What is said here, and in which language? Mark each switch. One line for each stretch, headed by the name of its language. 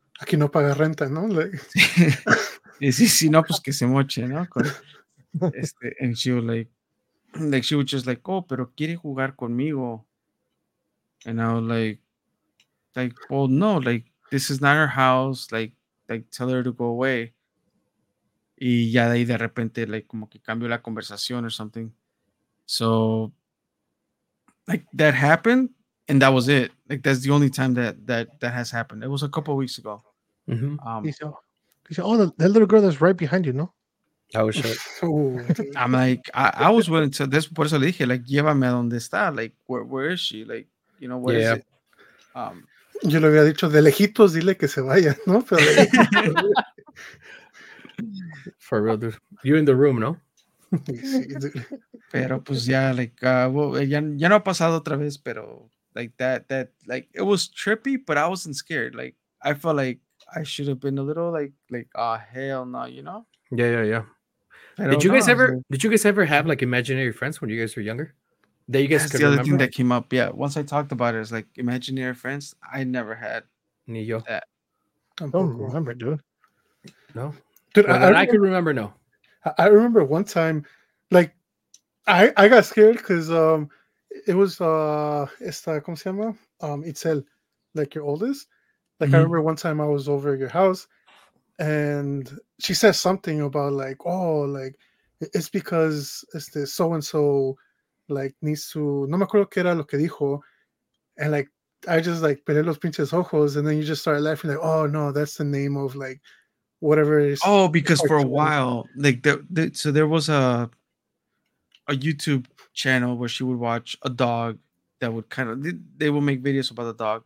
Spanish: Aquí no paga renta, ¿no? Like, si no, pues que se moche, ¿no?
English: And she was like, she was just like, oh,
Spanish: pero quiere jugar conmigo.
English: And I was like, well, no, like, this is not her house. Like, tell her to go away.
Spanish: Y ya de ahí de repente, like, como que cambió la conversación
English: or something. So, like, that happened, and that was it. Like, that's the only time that has happened. It was a couple of weeks ago. He said, oh, that little girl that's right behind you, no? That was shit. I'm like, I was willing to, this
Spanish: por eso le dije,
English: like,
Spanish: llévame a donde está.
English: Like, where is she? Like, you know, where is it?
Spanish: Yo le había dicho, de lejitos, dile que se vaya, ¿no? Pero le...
English: For real, dude. You in the room, ¿no?
Spanish: Pero pues ya,
English: like, well,
Spanish: ya no ha pasado otra vez, pero,
English: like, that, like, it was trippy, but I wasn't scared. Like, I felt like I should have been a little, like, oh, hell no, you know? Yeah. Did you guys ever have, like, imaginary friends when you guys were younger? That you guys That's the other remember? Thing that came up. Yeah, once I talked about it, it's like imaginary friends. I never had
Spanish: ni yo. That.
English: I don't remember, dude. No, dude. I can remember. No, I remember one time, like, I got scared because it was
Spanish: esta cómo se llama
English: Itzel, like your oldest. Like mm-hmm. I remember one time I was over at your house, and she said something about like, oh, like it's because it's the so and so.
Spanish: Like, Nisu, no me acuerdo que era lo que dijo.
English: And, like, I just, like,
Spanish: peleé los pinches ojos.
English: And then you just started laughing, like, oh, no, that's the name of, like, whatever it is. Oh, because for a while, like, so there was a YouTube channel where she would watch a dog that would kind of, they would make videos about the dog.